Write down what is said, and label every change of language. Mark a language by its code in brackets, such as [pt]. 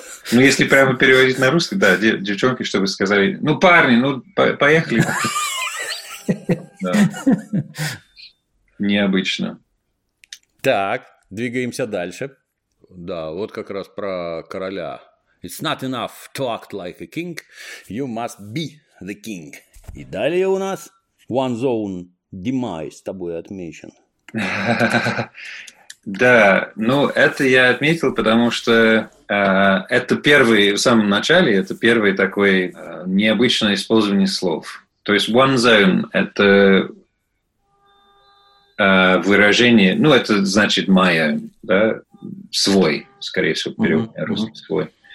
[ru] Ну, если прямо переводить на русский, да, девчонки, чтобы сказали, ну, парни, ну, поехали. Да. Необычно. Так, двигаемся дальше. Да, вот как раз про короля. [en] It's not enough to act like a king. You must be the king. [ru] И далее у нас... [en] One's own demise [ru] тобой отмечен. Да, ну это я отметил, потому что это первый, в самом начале, это первый такой необычное использование слов. То есть [en] one's own [ru] – это выражение, ну это значит [en] my own, [ru] да, свой, скорее всего, перевод на русский свой.